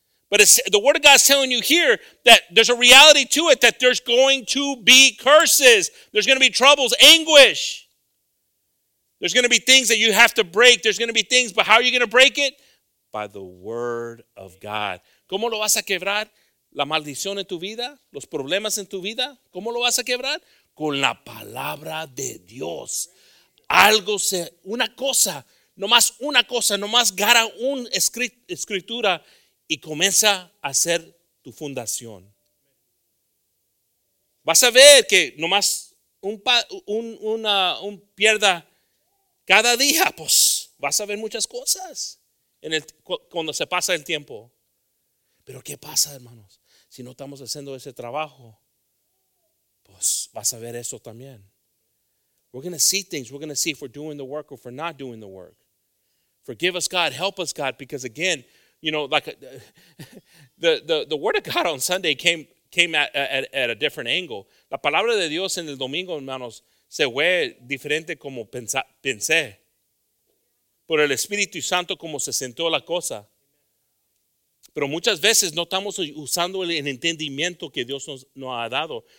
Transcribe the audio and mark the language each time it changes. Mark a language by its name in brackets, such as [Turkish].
[English] But it's, the Word of God is telling you here that there's a reality to it, that there's going to be curses. There's going to be troubles, anguish. There's going to be things that you have to break. There's going to be things, but how are you going to break it? By the Word of God. [Spanish] ¿Cómo lo vas a quebrar? La maldición en tu vida, los problemas en tu vida. ¿Cómo lo vas a quebrar? Con la palabra de Dios. Algo, una cosa, nomás una cosa, nomás gara una escritura. Y comienza a hacer tu fundación. Vas a ver que nomás un pierda cada día, pues vas a ver muchas cosas en el, cuando se pasa el tiempo. Pero ¿qué pasa, hermanos? Si no estamos haciendo ese trabajo, pues vas a ver eso también. [English] We're going to see things. We're going to see if we're doing the work or if we're not doing the work. Forgive us, God. Help us, God. Because again, you know, like the Word of God on Sunday came at a different angle. [Spanish] La palabra de Dios en el domingo, hermanos, se fue diferente como pensé. Por el Espíritu Santo como se sentó la cosa. Pero muchas veces no estamos usando el entendimiento que Dios nos ha dado.